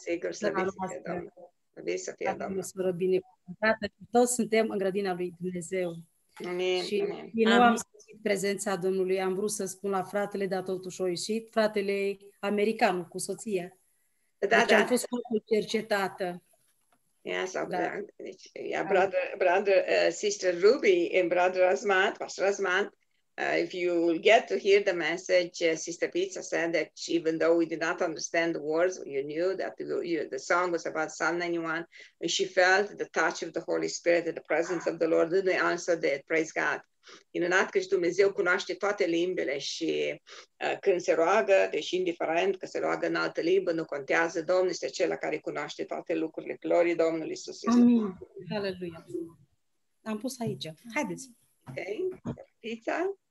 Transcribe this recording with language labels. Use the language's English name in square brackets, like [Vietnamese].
[Romanian] Sigur, să fie Domnul. Să fie Domnul. Toți suntem în grădina lui Dumnezeu. Amin. Și amin. Nu am simțit prezența Domnului. Am vrut să spun la fratele, dar totuși a ieșit. Fratele american cu soția. Da, deci am fost foarte cercetată. [English] Yes, okay. Yeah, brother, Sister Ruby and Brother Rasmat, Pastor Rasmat, if you will get to hear the message, Sister Pizza said that she, even though we did not understand the words, you knew that the song was about Psalm 91, and she felt the touch of the Holy Spirit and the presence of the Lord, and they answered that, praise God. [Romanian] Minunat că și Dumnezeu cunoaște toate limbele și când se roagă, deși indiferent că se roagă în altă limbă, nu contează, Domnul este acela care cunoaște toate lucrurile. Glorie Domnului Iisus. Amin. Aleluia. Am pus aici. Haideți. Ok. Pizza.